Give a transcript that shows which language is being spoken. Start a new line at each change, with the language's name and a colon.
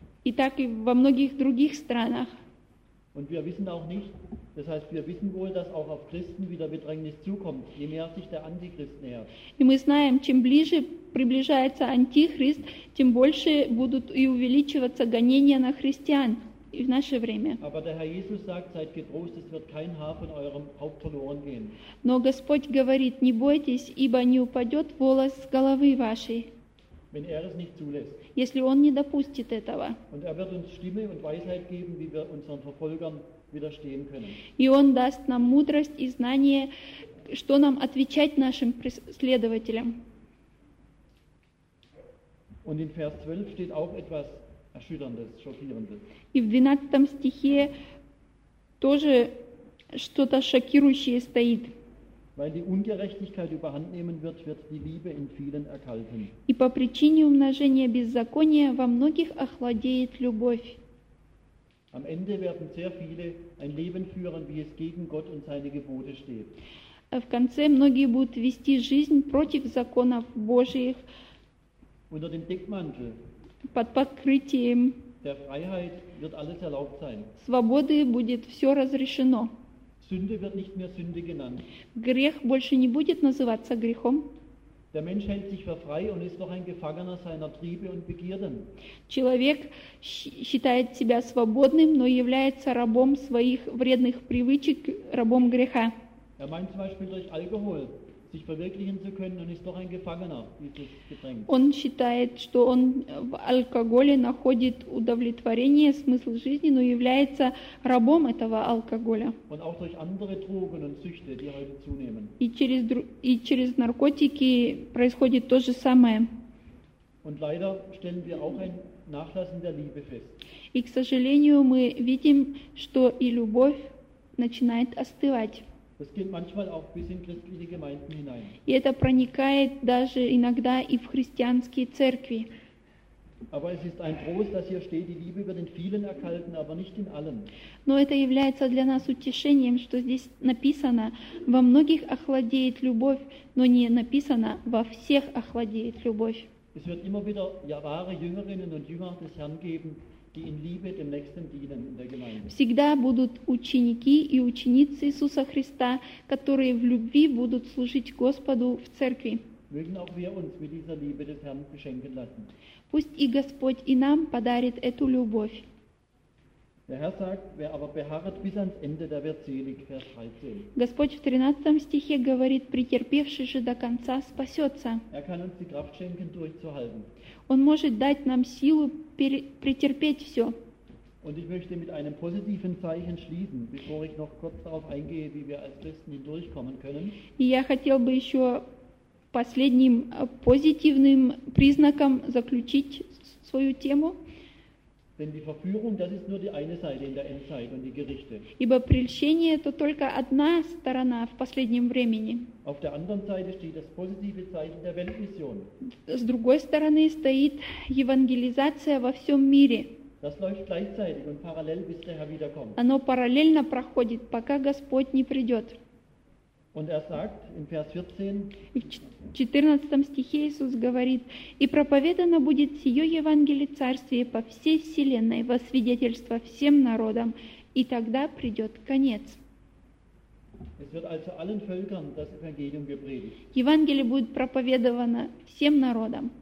Russian: И так и во многих других странах.
German: Und wir wissen auch nicht, das heißt, wir wissen wohl, dass auch auf Christen wieder Bedrängnis zukommt, je mehr sich der Antichrist nähert.
Russian: И мы знаем, чем ближе приближается Антихрист, тем больше будут и увеличиваться гонения на христиан в наше время.
German: Aber der Herr Jesus sagt, seid getrost, es wird kein Haar von eurem Haupt verloren gehen.
Russian: Но Господь говорит, не бойтесь, ибо не упадет волос с головы вашей.
German: wenn er es nicht zulässt.
Russian: Если он не допустит этого.
German: Und er wird uns Stimme und Weisheit geben, wie wir unseren Verfolgern widerstehen können.
Russian: И он даст нам мудрость и знание, что нам отвечать нашим преследователям.
German: Und in Vers 12 steht auch etwas erschütterndes, schockierendes.
Russian: И в 12 стихе тоже что-то шокирующее стоит.
German: Weil die Ungerechtigkeit überhand nehmen wird, wird die Liebe in vielen erkalten.
Russian: И по причине умножения беззакония во многих охладеет любовь.
German: Am Ende werden sehr viele ein Leben führen, wie es gegen Gott und seine Gebote steht.
Russian: В конце многие будут вести жизнь против законов Божьих.
German: Unter dem Deckmantel.
Russian: Под покрытием.
German: Der Freiheit wird alles erlaubt sein.
Russian: Свободы будет все разрешено.
German: Sünde wird nicht mehr Sünde genannt.
Russian: Грех больше не будет называться грехом.
German: Der Mensch hält sich für frei und ist noch ein Gefangener seiner Triebe und Begierden.
Russian: Человек считает себя свободным, но является рабом своих вредных привычек, рабом греха.
German: Er meint zum Beispiel durch Alkohol sich verwirklichen zu können und ist noch ein Gefangener dieses Getränks.
Russian: Он считает, что он в алкоголе находит удовлетворение, смысл жизни, но является рабом этого алкоголя.
German: Und auch durch andere Drogen und Süchte, die heute zunehmen.
Russian: И через наркотики происходит то же самое.
German: Und leider stellen wir auch ein Nachlassen der Liebe fest.
Russian: И, к сожалению, мы видим, что и любовь начинает остывать.
German: Das geht manchmal auch bis in christliche Gemeinden hinein.
Russian: И это проникает даже иногда и в христианские церкви.
German: Aber es ist ein Trost, dass hier steht, die Liebe wird in vielen erkalten, aber nicht in allen.
Russian: Но это является для нас утешением, что здесь написано, во многих охладеет любовь, но не написано, во всех охладеет любовь.
German: Es wird immer wieder wahre Jüngerinnen und Jünger des Herrn geben, die in Liebe dem Nächsten dienen in der Gemeinde.
Russian: Всегда будут ученики и ученицы Иисуса Христа, которые в любви будут служить Господу в церкви.
German: Mögen auch wir uns mit dieser Liebe des Herrn beschenken lassen.
Russian: Пусть и Господь и нам подарит эту любовь.
German: Der Herr sagt, wer aber beharrt bis ans Ende, der wird selig. Vers 13.
Russian: Господь в 13 стихе говорит, претерпевший же до конца спасется.
German: Er kann uns die Kraft schenken, durchzuhalten.
Russian: Он может дать нам силу претерпеть все.
German: Und ich möchte mit einem positiven Zeichen schließen, bevor ich noch kurz darauf eingehe, wie wir als Christen hindurchkommen können.
Russian: И я хотел бы еще последним позитивным признаком заключить свою тему.
German: Denn die Verführung, das ist nur die eine Seite in der Endzeit und die Gerichte.
Russian: Ибо прельщение – это только одна сторона в последнем времени.
German: Auf der anderen Seite steht das positive Zeichen der Weltmission.
Russian: С другой стороны стоит евангелизация во всем мире.
German: Das läuft gleichzeitig und parallel, bis der Herr wiederkommt.
Russian: Оно параллельно проходит, пока Господь не придет.
German: Und er sagt in Vers 14,
Russian: в 14 стихе Иисус говорит, «И проповедано будет сие Евангелие Царствие по всей вселенной во свидетельство всем народам, и тогда придет конец».
German: Es wird also allen Völkern das Evangelium gepredigt.
Russian: Евангелие будет проповедовано всем народам.